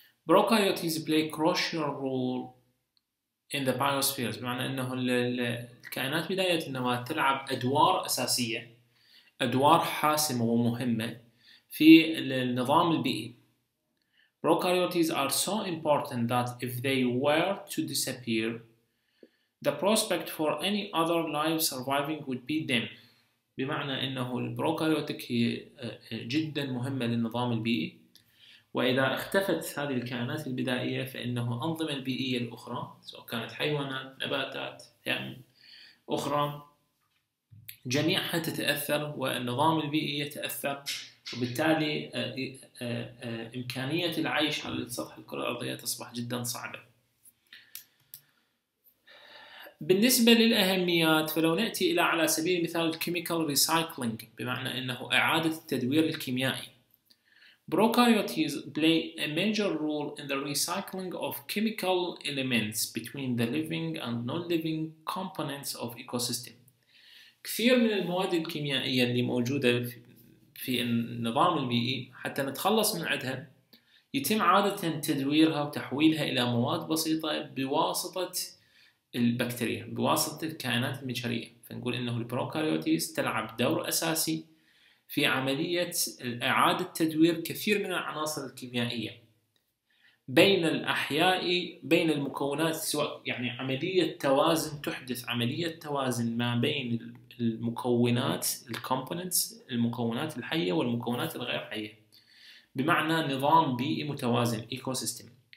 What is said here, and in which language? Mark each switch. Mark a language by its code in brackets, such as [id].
[en] Prokaryotes play crucial role in the biospheres، [ar] بمعنى أنه الكائنات بدائية النواة تلعب أدوار أساسية، أدوار حاسمة ومهمة في النظام البيئي. [en] Prokaryotes are so important that if they were to disappear, the prospect for any other life surviving would be dim. [ar] بمعنى أنه البروكاريوتيك هي جدا مهمة للنظام البيئي، وإذا اختفت هذه الكائنات البدائية فإنه أنظمة البيئية الأخرى، سواء كانت حيوانات، نباتات، أخرى، جميعها تتأثر والنظام البيئي يتأثر، وبالتالي إمكانية العيش على سطح الكرة الأرضية تصبح جدا صعبة. بالنسبة للأهميات، فلو نأتي إلى على سبيل المثال Chemical Recycling، بمعنى أنه إعادة التدوير الكيميائي. [en] Prokaryotes play a major role in the recycling of chemical elements between the living and non-living components of ecosystem. [ar] كثير من المواد الكيميائية اللي موجودة في النظام البيئي حتى نتخلص من عدها يتم عادة تدويرها وتحويلها إلى مواد بسيطة بواسطة البكتيريا، بواسطة الكائنات المجهرية. فنقول إنه البروكاريوتيز تلعب دور أساسي في عملية إعادة تدوير كثير من العناصر الكيميائية بين المكونات، سواء يعني عملية توازن، تحدث عملية توازن ما بين المكونات الكومبوننتس، المكونات الحية والمكونات الغير حية، بمعنى نظام بيئي متوازن ايكو سيستم.